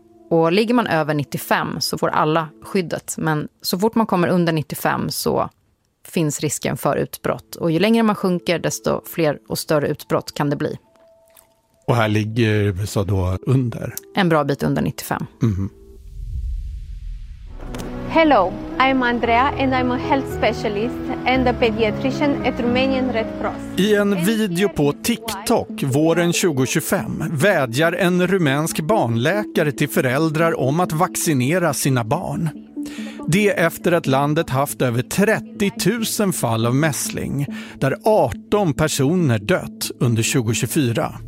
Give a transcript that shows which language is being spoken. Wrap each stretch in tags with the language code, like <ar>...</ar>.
<sv>Och ligger man över 95 så får alla skyddet. Men så fort man kommer under 95 så finns risken för utbrott. Och ju längre man sjunker, desto fler och större utbrott kan det bli. Och här ligger USA då under? En bra bit under 95. Mm-hmm.</sv> <en>Hello, I'm Andrea and I'm a health specialist and a pediatrician at Romanian Red Cross.</en> <sv>I en video på TikTok våren 2025 vädjar en rumänsk barnläkare till föräldrar om att vaccinera sina barn. Det efter att landet haft över 30 000 fall av mässling, där 18 personer dött under 2024.</sv>